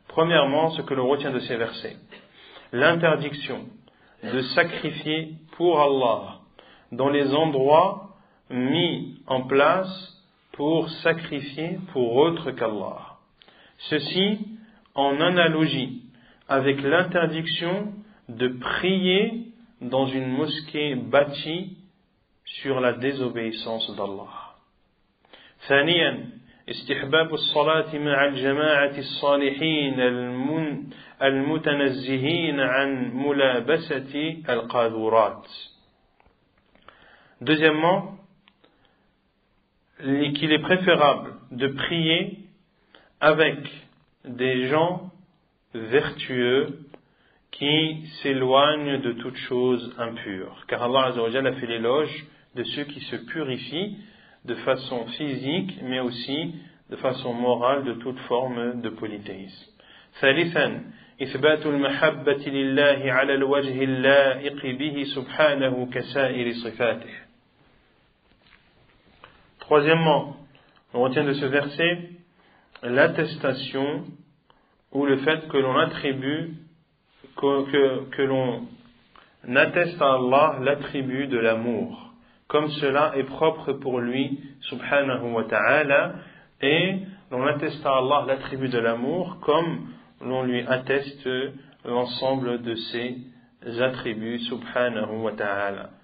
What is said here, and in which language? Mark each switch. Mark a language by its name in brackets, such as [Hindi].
[French] Premièrement, ce que l'on retient de ces versets, l'interdiction de sacrifier pour Allah dans les endroits mis en place pour sacrifier pour autre qu'Allah. Ceci en analogie avec l'interdiction de prier dans une mosquée bâtie sur la désobéissance d'Allah. [Arabic] ثانياً استحباب الصلاة مع الجماعة الصالحين المتنزهين عن ملابسة القاذورات. [French] Deuxièmement, qu'il est préférable de prier avec des gens vertueux qui s'éloignent de toute chose impure. Car Allah Azza wa Jalla a fait l'éloge de ceux qui se purifient de façon physique, mais aussi de façon morale de toute forme de polythéisme. [Arabic] Thalithan, إثبات المحبة لله على الوجه اللائق به سبحانه كسائر صفاته. [French] Troisièmement, on retient de ce verset l'attestation ou le fait que l'on attribue, que l'on atteste à Allah l'attribut de l'amour, comme cela est propre pour lui, subhanahu wa ta'ala, et l'on atteste à Allah l'attribut de l'amour comme l'on lui atteste l'ensemble de ses attributs, subhanahu wa ta'ala.